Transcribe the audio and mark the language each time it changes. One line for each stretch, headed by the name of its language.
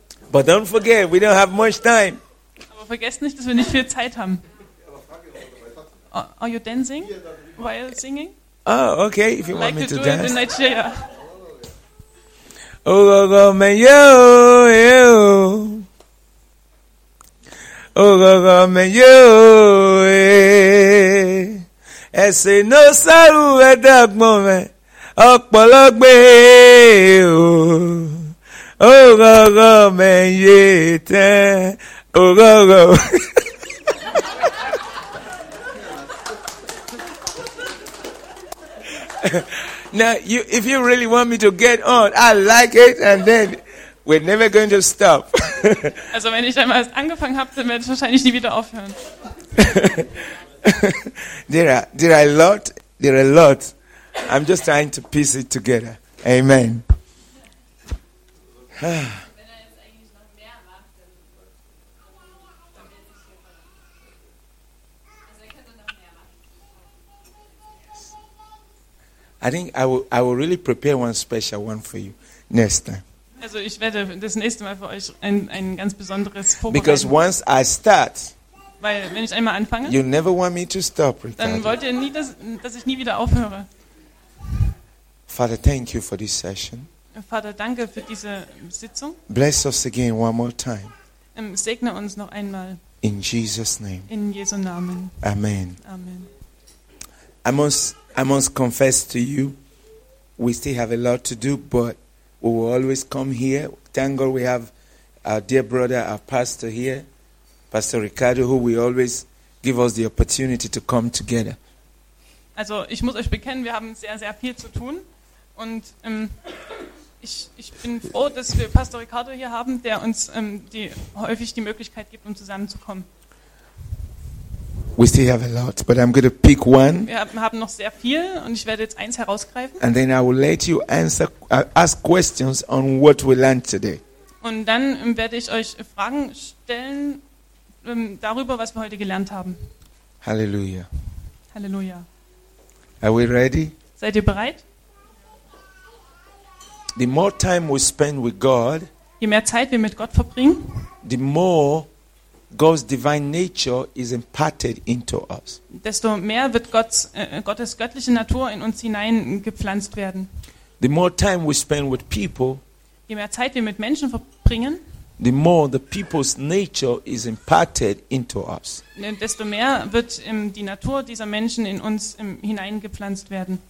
English: But don't forget, we don't have much time.
German: Aber vergesst nicht, dass wir nicht viel Zeit haben.
English: Are you dancing while singing? Oh, okay, if you like want me to do dance. It in Nigeria. Oh, go, go, man, yo, yo. Oh, go, go, man, yo, yeah. Ese no saru e dagbon me. Opologbe, yo. Oh, go, go, man, ye, ten. Oh, go, go. Now, if you really want me to get on, I like it, and then we're never going to stop.
German: Also, wenn ich einmal angefangen habe, dann werde ich wahrscheinlich nie wieder aufhören.
English: There are a lot. I'm just trying to piece it together. Amen. I think I will really prepare one special one for you next time.
German: Also ich werde das nächste Mal für euch ein ganz besonderes vorbereiten.
English: Because once I start,
German: weil wenn ich einmal anfange,
English: you never want me to stop, Ricardo.
German: Dann wollt ihr nie, dass ich nie wieder aufhöre.
English: Father, thank you for this session.
German: Vater, danke für diese Sitzung.
English: Bless us again one more time.
German: Segne uns noch einmal.
English: In Jesus' name.
German: In Jesu Namen.
English: Amen. Amen. I must confess to you, we still have a lot to do, but we will always come here. Thank God we have our dear brother, our pastor here, Pastor Ricardo, who will always give us the opportunity to come together.
German: Also, ich muss euch bekennen, wir haben sehr, sehr viel zu tun. Und ich bin froh, dass wir Pastor Ricardo hier haben, der uns häufig die Möglichkeit gibt, um zusammenzukommen.
English: We still have a lot, but I'm going to pick one.
German: Wir haben noch sehr viel und ich werde jetzt eins herausgreifen.
English: And then I will let you ask questions on what we learned today.
German: Und dann werde ich euch Fragen stellen darüber, was wir heute gelernt haben.
English: Hallelujah. Hallelujah. Are we ready?
German: Seid ihr bereit?
English: The more time we spend with God,
German: je mehr Zeit wir mit Gott verbringen,
English: the more God's divine nature is imparted into us.
German: Desto mehr wird Gottes göttliche Natur in uns hineingepflanzt werden.
English: The more time we spend with people,
German: je mehr Zeit wir mit Menschen verbringen,
English: the more the people's nature is imparted into us.
German: Desto mehr wird die Natur dieser Menschen in uns hineingepflanzt werden.